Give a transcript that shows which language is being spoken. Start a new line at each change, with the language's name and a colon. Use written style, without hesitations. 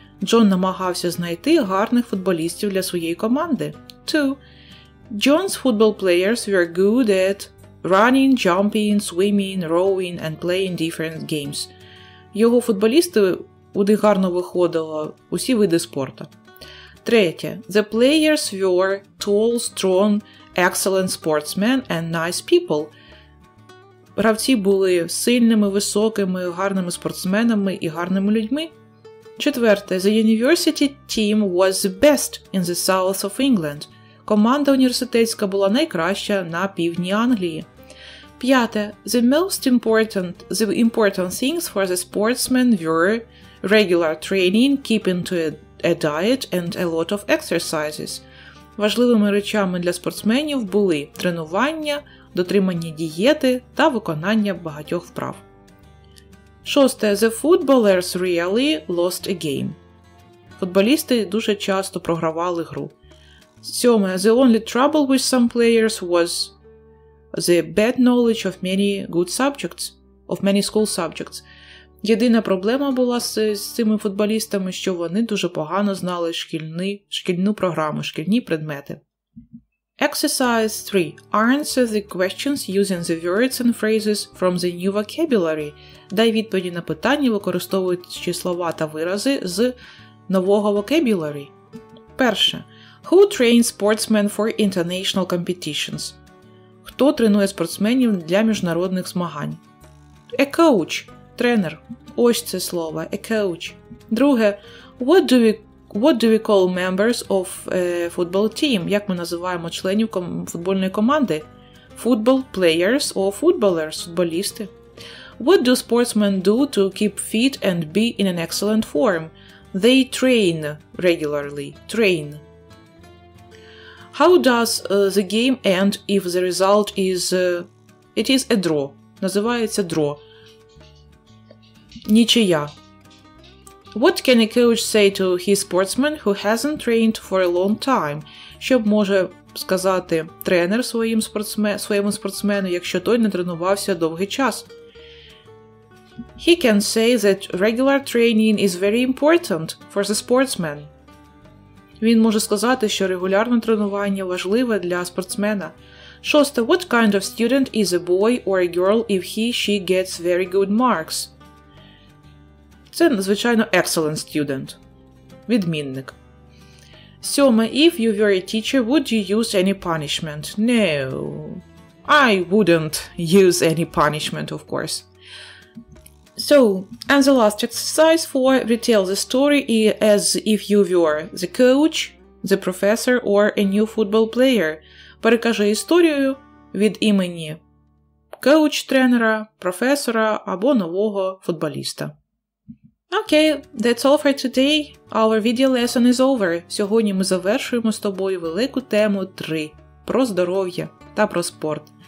Ukrainian: John намагався знайти гарних футболістів для своєї команди.
English: 2. John's football players were good at running, jumping, swimming, rowing and playing different games.
Ukrainian: Його футболісти, у них гарно виходило усі види спорту. 3.
English: The players were tall, strong, excellent sportsmen and nice people.
Ukrainian: Гравці були сильними, високими, гарними спортсменами і гарними людьми. 4.
English: The university team was the best in the south of England.
Ukrainian: Команда університетська була найкраща на півдні Англії. 5.
English: The most important, things for the sportsmen were regular training, keeping to a diet and a lot of exercises.
Ukrainian: Важливими речами для спортсменів були тренування, дотримання дієти та виконання багатьох вправ.
English: 6. The footballers really lost a game.
Ukrainian: Футболісти дуже часто програвали гру. 7.
English: The only trouble with some players was the bad knowledge of many good subjects, of many school subjects.
Ukrainian: Єдина проблема була з цими футболістами, що вони дуже погано знали шкільну програму, шкільні предмети.
English: Exercise 3. Answer the questions using the words and phrases from the new vocabulary.
Ukrainian: Дай відповіді на питання, використовуючи слова та вирази з нового
English: vocabulary.
Ukrainian: Перше.
English: Who trains sportsmen for international competitions?
Ukrainian: Хто тренує спортсменів для міжнародних змагань?
English: A coach
Ukrainian: – тренер. Ось це слово –
English: a coach.
Ukrainian: Друге.
English: What do we call members of a football team?
Ukrainian: Як ми називаємо членів футбольної команди?
English: Football players or footballers –
Ukrainian: футболісти.
English: What do sportsmen do to keep fit and be in an excellent form? They train regularly. Train. How does the game end if the result is... It is a draw.
Ukrainian: Називається
English: draw.
Ukrainian: Нічия.
English: What can a coach say to his sportsman who hasn't trained for a long time? Що може сказати тренер своєму спортсмену, якщо той не тренувався довгий час? He can say that regular training is very important for the sportsman. Він може сказати, що регулярне тренування важливе для спортсмена. 6. What kind of student is a boy or a girl if he/she gets very good marks?
Ukrainian: Це, звичайно,
English: excellent student.
Ukrainian: Відмінник. 7.
English: If you were a teacher, would you use any punishment? No. I wouldn't use any punishment, of course. So, and the last exercise for retell the story as if you were the coach, the professor or a new football player.
Ukrainian: Перекажи історію від імені коуч-тренера, професора або нового футболіста.
English: Okay, that's all for today. Our video lesson is over.
Ukrainian: Сьогодні ми завершуємо з тобою велику тему 3 про здоров'я та про спорт.